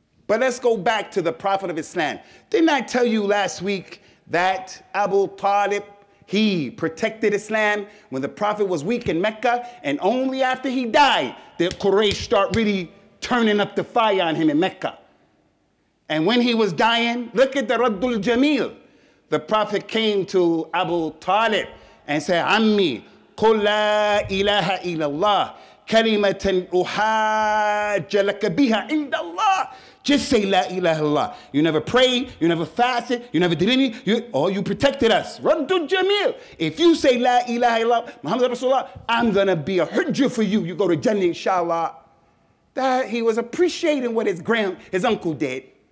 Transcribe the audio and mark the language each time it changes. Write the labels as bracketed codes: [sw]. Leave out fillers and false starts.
[en] But let's go back to the Prophet of Islam. Didn't I tell you last week that Abu Talib, he protected Islam when the Prophet was weak in Mecca, and only after he died did Quraysh start really turning up the fire on him in Mecca. And when he was dying, look at the Raddul Jamil. The Prophet came to Abu Talib and said, Ammi, [ar] قُلْ لَا إِلَهَ إِلَّا اللَّهِ كَلِمَةً أُحَاجَّ لَكَ بِهَا عِنْدَ اللَّهِ. [en] Just say La ilaha illallah. You never prayed, you never fasted, you never did anything, you protected us. رَدُّ Jamil. If you say La ilaha illallah, Muhammad Rasulullah, I'm gonna be a hujjah for you. You go to Jannah, inshallah. That he was appreciating what his uncle did.